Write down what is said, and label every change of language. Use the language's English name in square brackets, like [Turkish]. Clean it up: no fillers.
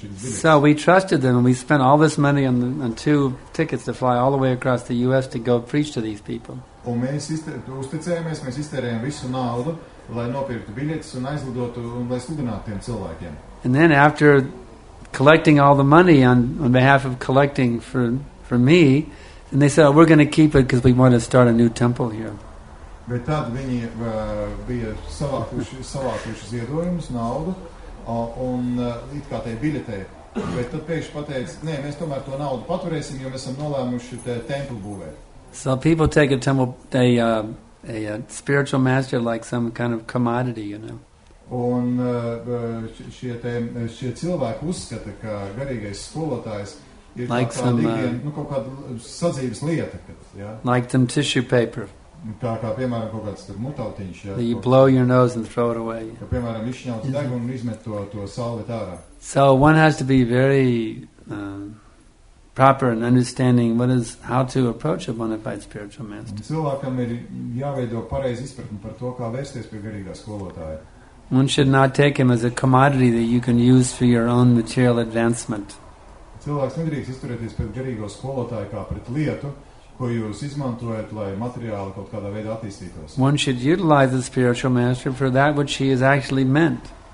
[English] So we trusted them and we spent all this money on two tickets to fly all the way across the U.S. to go preach to these people. [Latvian] Un mēs uzticējāmies, mēs iztērējām visu naudu, lai nopirktu biļetes un aizlidotu un lai sludinātu tiem cilvēkiem. [English] And then after collecting all the money on behalf of collecting for me, and they said, oh, we're going to keep it because we want to start a new temple here. [Latvian] Bet tad viņi bija savākuši ziedojumus, naudu, un it kā tajai biļetei. Bet tad pēkšņi pateica, nē, mēs tomēr to naudu paturēsim, jo mēs esam nolēmuši templi būvēt. [English] So people take a temple, a spiritual master like some kind of commodity, you know. [Latvian] Un šie cilvēki uzskata, ka garīgais skolotājs ir [English] like [Latvian] kā [English] some, [Latvian] nu, kaut kāda sadzīves lieta. Ja? [English] Like some tissue paper. [Latvian] Kā piemēram, kaut kāds tur mutautiņš. Ja, [English] you blow your nose and throw it away. [Latvian] Ka, piemēram, izšņauts degu un izmet to salvet ārā. [English] So one has to be very proper in understanding what is how to approach a bona fide spiritual master. [Latvian] Cilvēkam ir jāveido pareizi izpratni par to, kā vērsties pie garīgā skolotāja. [English] One should not take him as a commodity that you can use for your own material advancement. [Latvian] Cilvēks nedrīkst izturēties pret garīgo skolotāju kā pret lietu, ko jūs izmantojat, lai materiāli kaut kādā veidā attīstītos. [English] One should utilize the spiritual master for that which he is actually meant.